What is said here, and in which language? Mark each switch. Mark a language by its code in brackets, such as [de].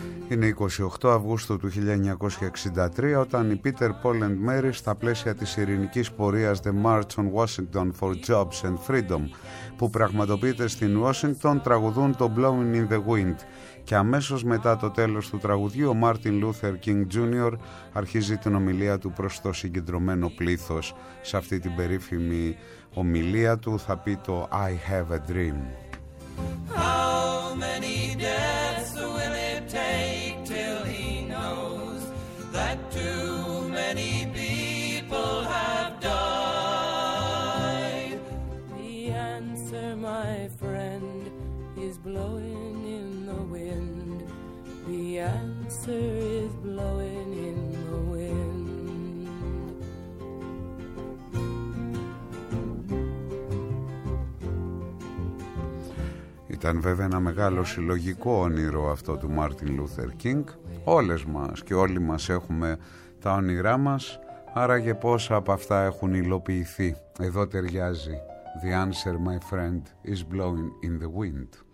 [el] Είναι 28 Αυγούστου του 1963, όταν η Peter Paul and Mary, στα πλαίσια της ειρηνικής πορείας The March on Washington for Jobs and Freedom, που πραγματοποιείται στην Washington, τραγουδούν το Blowing in the Wind. Και αμέσως μετά το τέλος του τραγουδιού, ο Martin Luther King Jr. αρχίζει την ομιλία του προς το συγκεντρωμένο πλήθος. Σε αυτή την περίφημη ομιλία του θα πει το [en] «I have a dream». How many deaths will it take till he knows that too many people have died? The answer, my friend, is blowing in the wind. The answer is blowing in the wind. [el] Ήταν βέβαια ένα μεγάλο συλλογικό όνειρο αυτό του Μάρτιν Λούθερ Κίνγκ. Όλες μας και όλοι μας έχουμε τα όνειρά μας, άραγε πόσα από αυτά έχουν υλοποιηθεί. Εδώ ταιριάζει. [en] The answer, my friend, is blowing in the wind.